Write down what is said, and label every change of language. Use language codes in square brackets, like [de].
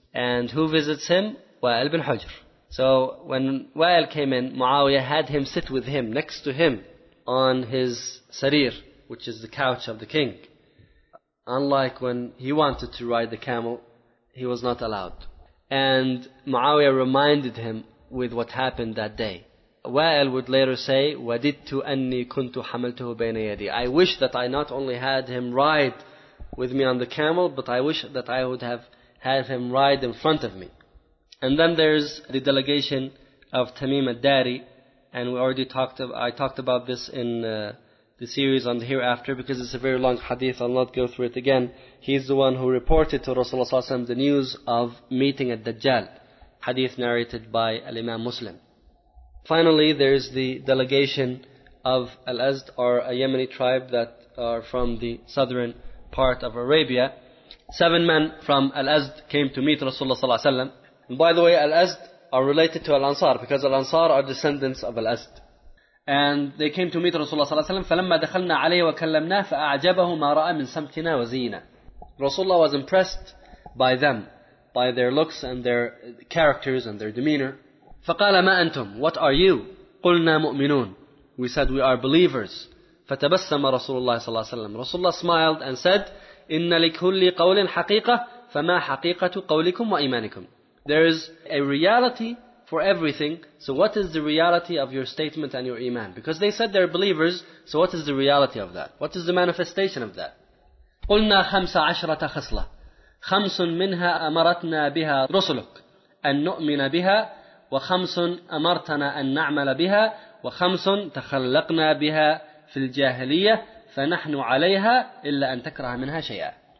[en] And who visits him? Wa'il bin Hujr. So when Wa'il came in, Muawiyah had him sit with him, next to him, on his sarir, which is the couch of the king. Unlike when he wanted to ride the camel, he was not allowed. And Muawiyah reminded him with what happened that day. Wa'il would later say, [ar] وَدِدْتُ أَنِّي كُنْتُ حَمَلْتُهُ بَيْنَ يَدِي. [en] I wish that I not only had him ride with me on the camel, but I wish that I would have had him ride in front of me. And then there's the delegation of Tamim al-Dari, and I talked about this in the series on the hereafter, because it's a very long hadith, I'll not go through it again. He's the one who reported to Rasulullah ﷺ the news of meeting al-Dajjal, hadith narrated by al-Imam Muslim. Finally, there's the delegation of al-Azd, or a Yemeni tribe that are from the southern part of Arabia. 7 men from al-Azd came to meet Rasulullah ﷺ. And by the way, Al-Azd are related to Al-Ansar, because Al-Ansar are descendants of Al-Azd. And they came to meet Rasulullah صلى الله عليه وسلم, [ar] فَلَمَّا دَخَلْنَا عَلَيْهِ وَكَلَّمْنَا فَأَعْجَبَهُ مَا رَأَى مِنْ سَمْتِنَا وَزِيِّنَا. [en] Rasulullah was impressed by them, by their looks and their characters and their demeanor. [ar] فَقَالَ مَا أَنْتُمْ? [en] What are you? [ar] قُلْنَا مُؤْمِنُونَ. [en] We said, we are believers. [ar] فَتَبَسَّمَ رَسُولُ اللَّهِ صلى الله عليه وسلم. [en] Rasulullah smiled and said, [ar] إِنَّ لِكُلِّ قَوْلٍ حَقِيقَةٌ فَمَا حَقِيقَةُ قَوْلِكُمْ وَإِيمَانِكُمْ. [en] There is a reality for everything. So what is the reality of your statement and your iman? Because they said they're believers. So what is the reality of that? What is the manifestation of that? [ar] قُلْنَا خَمْسَ عَشْرَةَ خَصْلَةً خَمْسٌ مِنْهَا أَمَرَتْنَا بِهَا رُسُلُكَ أَنْ نُؤْمِنَ بِهَا وَخَمْسٌ أَمَرْتَنَا أَنْ نَعْمَلَ بِهَا وَخَمْسٌ تَخَلَّقْنَا بِهَا فِي الْجَاهِلِيَّةِ فَنَحْنُ عَلَيْهَا إِلَّا أَنْ تَكْرَهَ مِنْهَا شَيْئًا.